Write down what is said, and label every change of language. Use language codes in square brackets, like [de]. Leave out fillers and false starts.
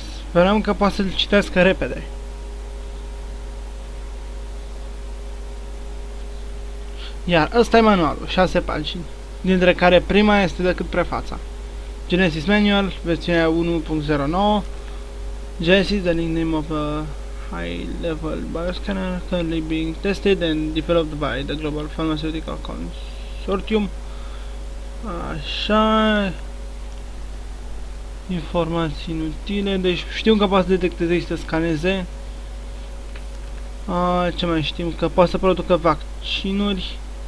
[ro] Speram că poate să-l citească repede. Iar ăsta e manualul, 6 pagini. Dintre care prima este decât prefața. Genesis Manual, versiunea 1.09. [en] Genesis, the nickname of a high-level bioscanner currently being tested and developed by the Global Pharmaceutical Consortium. [ro] Așa... informații inutile, deci știu că poate să detecteze și să scaneze. Ce mai știm? Că poate să producă vaccinuri.